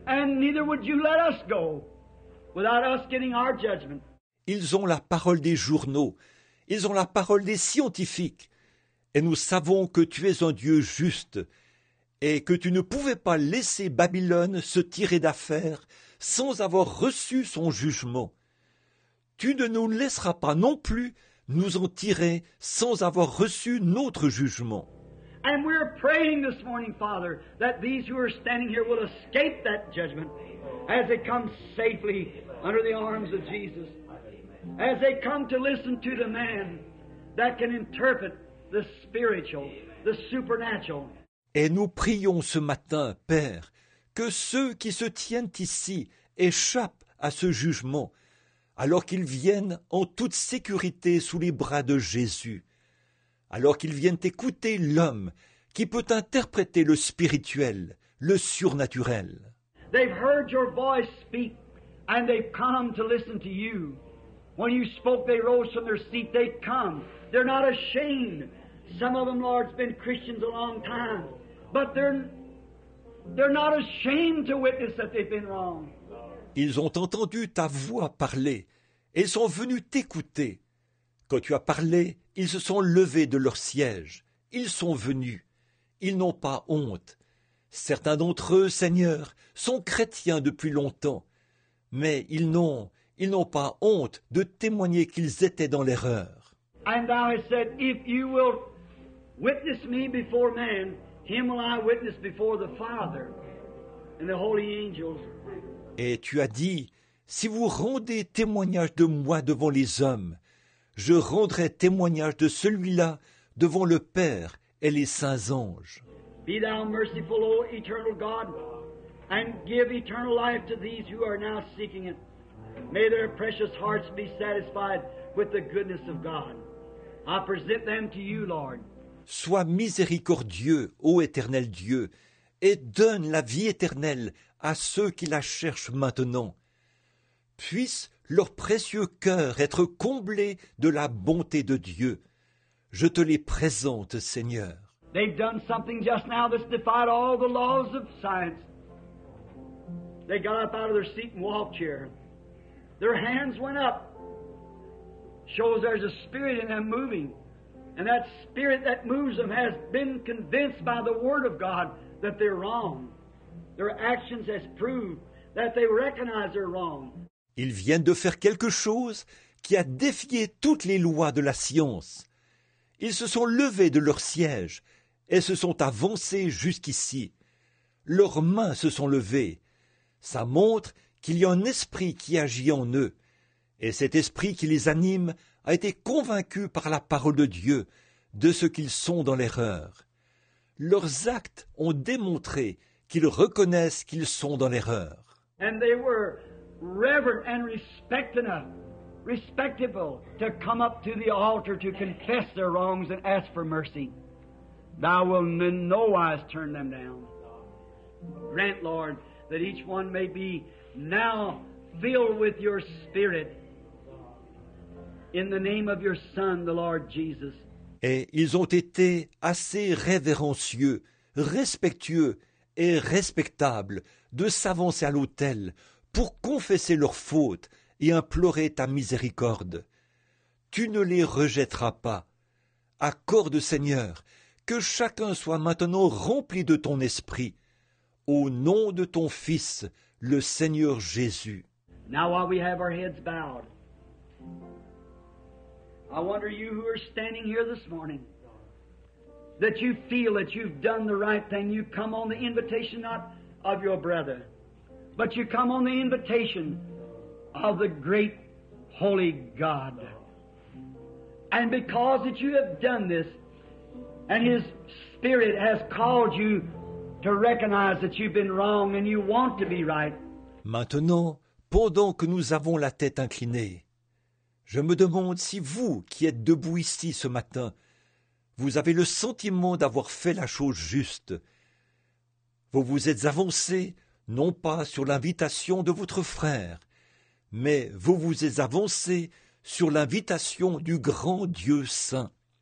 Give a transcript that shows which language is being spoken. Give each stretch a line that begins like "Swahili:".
English: And neither would you let us go without us getting our judgment.
French: Ils ont la parole des journaux. Ils ont la parole des scientifiques. Et nous savons que tu es un Dieu juste et que tu ne pouvais pas laisser Babylone se tirer d'affaire sans avoir reçu son jugement. Tu ne nous laisseras pas non plus nous en tirer sans avoir reçu notre jugement.
English: And we're praying this morning, Father, that these who are standing here will escape that judgment as they come safely under the arms of Jesus, as they come to listen to the man that can interpret the spiritual, the supernatural.
French: Et nous prions ce matin, Père, que ceux qui se tiennent ici échappent à ce jugement, alors qu'ils viennent en toute sécurité sous les bras de Jésus, alors qu'ils viennent écouter l'homme qui peut interpréter le spirituel, le surnaturel.
English: They've heard your voice speak, and they've come to listen to you. When you spoke, they rose from their seat, they come. They're not ashamed. Some of them, Lord, have been Christians a long time. But they're not ashamed to witness that they've been wrong.
French: Ils ont entendu ta voix parler et sont venus t'écouter. Quand tu as parlé, ils se sont levés de leur siège. Ils sont venus. Ils n'ont pas honte. Certains d'entre eux, Seigneur, sont chrétiens depuis longtemps. Mais ils n'ont pas honte de témoigner qu'ils étaient dans l'erreur.
English: And thou hast said, if you will witness me before man, him will I witness before the Father and the holy angels.
French: Et tu as dit, si vous rendez témoignage de moi devant les hommes, je rendrai témoignage de celui-là devant le Père et les saints anges.
English: Be thou merciful, O eternal God, and give eternal life to these who are now seeking it. May their precious hearts be satisfied with the goodness of God. I present them to you, Lord.
French: Sois miséricordieux, ô éternel Dieu, et donne la vie éternelle à ceux qui la cherchent maintenant. Puisse leur précieux cœur être comblé de la bonté de Dieu. Je te les présente, Seigneur.
English: They've done something just now that's defied all the laws of science. They got up out of their seat and walked here. Their hands went up. Shows there's a spirit in them moving. And that spirit that moves them has been convinced by the Word of God that they're wrong. Their actions has proved that they recognize they're wrong.
French: Ils viennent de faire quelque chose qui a défié toutes les lois de la science. Ils se sont levés de leur siège et se sont avancés jusqu'ici. Leurs mains se sont levées. Ça montre qu'il y a un esprit qui agit en eux. Et cet esprit qui les anime a été convaincu par la parole de Dieu de ce qu'ils sont dans l'erreur. Leurs actes ont démontré qu'ils reconnaissent qu'ils sont dans l'erreur.
English: And they were reverent and respectable. Respectable to come up to the altar to confess their wrongs and ask for mercy. Thou wilt in no wise turn them down. Grant, Lord, that each one may be now filled with your Spirit in the name of your Son, the Lord Jesus.
French: Et ils ont été assez révérencieux, respectueux et respectables de s'avancer à l'autel pour confesser leurs fautes et implorer ta miséricorde. Tu ne les rejetteras pas. Accorde, Seigneur, que chacun soit maintenant rempli de ton esprit. Au nom de ton Fils, le Seigneur Jésus.
English: Now while we have our heads bowed, I wonder you who are standing here this morning, that you feel that you've done the right thing. You come on the invitation not of your brother, but you come on the invitation of the great holy God. And because that you have done this, and His Spirit has called you to recognize that you've been wrong and you want to be right.
French: Maintenant, pendant que nous avons la tête inclinée, je me demande si vous qui êtes debout ici ce matin, vous avez le sentiment d'avoir fait la chose juste. Vous vous êtes avancé, non pas sur l'invitation de votre frère, mais vous vous êtes avancé sur l'invitation du grand Dieu Saint.